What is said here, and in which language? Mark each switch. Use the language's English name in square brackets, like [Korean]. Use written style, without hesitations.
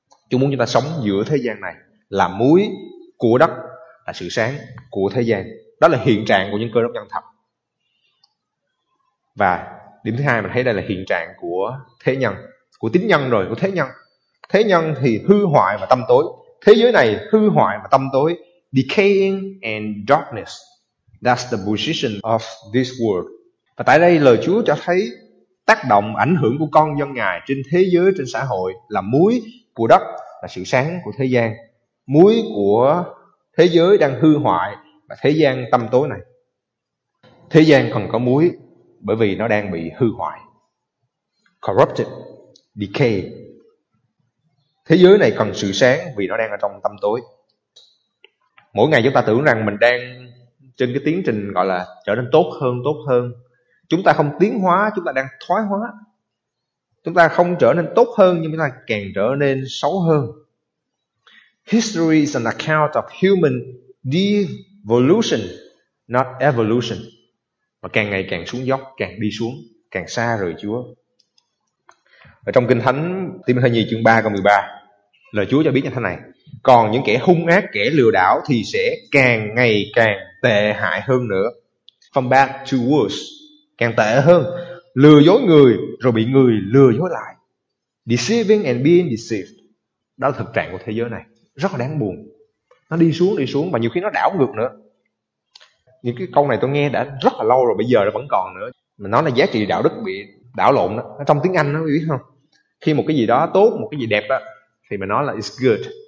[Vietnamese] Chúa muốn chúng ta sống giữa thế gian này, là muối của đất, là sự sáng của thế gian. Đó là hiện trạng của những cơ đốc nhân thật. Và điểm thứ hai mình thấy đây là hiện trạng của thế nhân, của tín nhân rồi, của thế nhân. Thế nhân thì hư hoại và tâm tối. Thế giới này hư hoại và tâm tối. [English] Decaying and darkness, that's the position of this world. [Vietnamese] Và tại đây lời Chúa cho thấy tác động, ảnh hưởng của con dân Ngài trên thế giới, trên xã hội, là muối của đất, là sự sáng của thế gian. Muối của thế giới đang hư hoại và thế gian tâm tối này. Thế gian còn có muối bởi vì nó đang bị hư hoại, [English] corrupted, decay. [Vietnamese] Thế giới này cần sự sáng vì nó đang ở trong tâm tối. Mỗi ngày chúng ta tưởng rằng mình đang trên cái tiến trình gọi là trở nên tốt hơn, tốt hơn. Chúng ta không tiến hóa, chúng ta đang thoái hóa. Chúng ta không trở nên tốt hơn nhưng chúng ta càng trở nên xấu hơn. [English] History is an account of human devolution, not evolution. [Vietnamese] Và càng ngày càng xuống dốc, càng đi xuống, càng xa rời Chúa. Ở trong Kinh Thánh Ti-mô-thê nhì chương 3 câu 13, lời Chúa cho biết như thế này: còn những kẻ hung ác, kẻ lừa đảo thì sẽ càng ngày càng tệ hại hơn nữa. [English] From bad to worse, [Vietnamese] càng tệ hơn. Lừa dối người rồi bị người lừa dối lại. [English] Deceiving and being deceived. [Vietnamese] Đó là thực trạng của thế giới này, rất là đáng buồn. Nó đi xuống và nhiều khi nó đảo ngược nữa. Những cái câu này tôi nghe đã rất là lâu rồi, bây giờ nó vẫn còn nữa. Mình nói là giá trị đạo đức bị đảo lộn đó. Trong tiếng Anh nó biết không? Khi một cái gì đó tốt, một cái gì đẹp đó, thì mình nói là [English] it's good.